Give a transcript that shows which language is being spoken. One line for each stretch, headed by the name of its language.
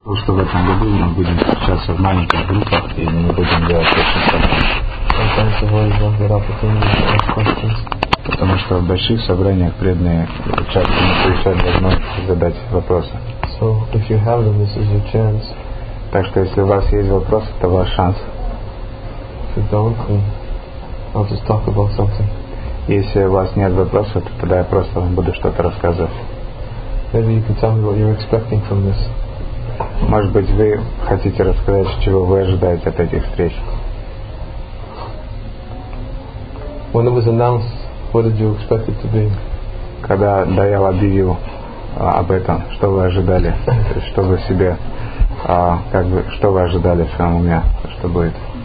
Russian: То, что в этом году мы будем встречаться в маленьких группах, и мы будем делать очень. Потому что в больших собраниях преданные часто не получают возможность задать вопросы.
English: So if you have them, this is your chance.
Russian: Так что если у вас есть вопрос, это ваш шанс.
English: If you don't, I'll just talk about something.
Russian: Если у вас нет вопросов, то тогда я просто вам буду что-то рассказывать.
English: Maybe you can tell me what you're expecting from this.
Russian: Может быть, вы хотите рассказать, чего вы ожидаете от этих встреч?
English: When it was announced, what did you expect it to be?
Russian: Когда Даял объявил об этом, что вы ожидали, что вы себе, как бы, что вы ожидали в своем уме, что будет?